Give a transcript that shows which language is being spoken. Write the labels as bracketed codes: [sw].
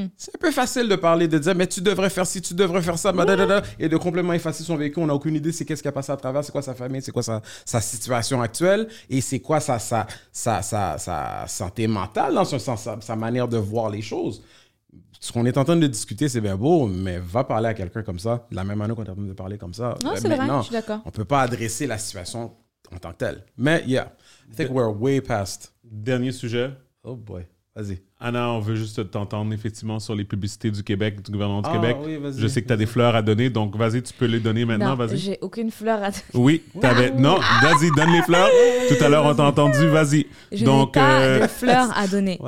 [fr] C'est un peu facile de parler, de dire, mais tu devrais faire ci, tu devrais faire ça, et de complètement effacer son vécu. On n'a aucune idée, c'est qu'est-ce qui a passé à travers, c'est quoi sa famille, c'est quoi sa situation actuelle, et c'est quoi sa santé mentale, dans son sens, sa manière de voir les choses. ce qu'on est en train de discuter, c'est bien beau, mais va parler à quelqu'un comme ça, de la même manière qu'on est en train de parler comme ça. Non, c'est vrai, je suis d'accord. On peut pas adresser la situation en tant que telle. Mais, [en] yeah, I think we're way past. [fr] Dernier sujet. Oh boy, vas-y. Anna, on veut juste t'entendre, effectivement, sur les publicités du Québec, du gouvernement du Québec. Ah oui, vas-y. Je sais que tu as des fleurs à donner, donc vas-y, tu peux les donner maintenant, non, vas-y. J'ai aucune fleur à donner. Oui, t'avais... Non, vas-y, donne les fleurs. Tout à l'heure, on t'a entendu, vas-y. Je donc, n'ai pas de fleurs à donner.